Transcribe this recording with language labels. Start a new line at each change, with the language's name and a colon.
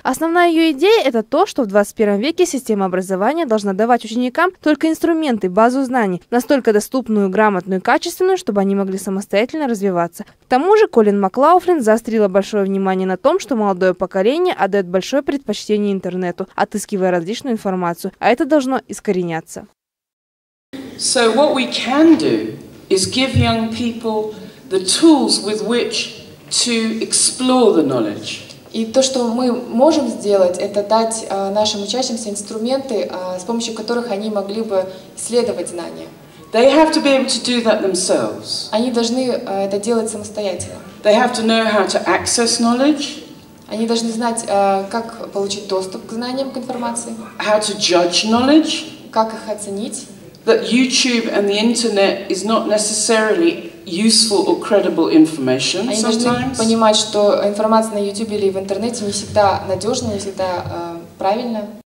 Russian: Основная ее идея – это то, что в 21 веке система образования должна давать ученикам только инструменты, базу знаний, настолько доступную, грамотную и качественную, чтобы они могли самостоятельно развиваться. К тому же Колин Маклауфлин заострила большое внимание на том, что молодое поколение отдает большое предпочтение интернету, отыскивая различную информацию, а это должно искореняться.
English: So what we can do is give young people the tools with which to explore the knowledge.
Russian: И то, что мы можем сделать, это дать нашим учащимся инструменты, с помощью которых они могли бы исследовать знания.
English: They have to be able to do that themselves.
Russian: Они должны это делать самостоятельно.
English: They have to know how to access knowledge.
Russian: Они должны знать, как получить доступ к знаниям, к информации.
English: How to judge knowledge.
Russian: Как их оценить.
English: That YouTube and the internet is not necessarily useful or credible information sometimes.
Russian: Они должны понимать, что информация на YouTube или в интернете не всегда надежна, не всегда правильна.